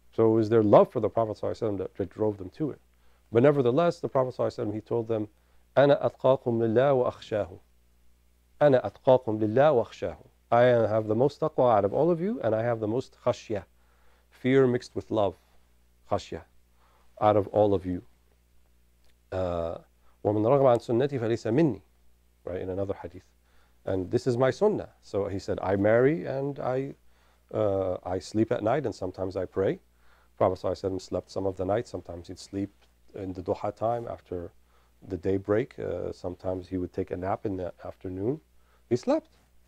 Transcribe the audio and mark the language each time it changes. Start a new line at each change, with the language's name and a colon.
English: So it was their love for the Prophet ﷺ that drove them to it. But nevertheless, the Prophet ﷺ, he told them,
Arabic: أَنَا أَتْقَاكُمْ لِلَّهِ وَأَخْشَاهُ
English: أَنَا أَتْقَاكُمْ لِلَّهِ وَأَخْشَاهُ I have the most taqwa out of all of you, and I have the most khashya, fear mixed with love, khashya, out of all of you.
Arabic: وَمَنْ رَغْبَ عَنْ سُنَّتِي فَلَيْسَ مِنِّي
English: Right, in another hadith. And this is my sunnah. So he said, I marry and I sleep at night and sometimes I pray. Prophet ﷺ slept some of the night. Sometimes he'd sleep in the duha time after the daybreak. Sometimes he would take a nap in the afternoon. He slept.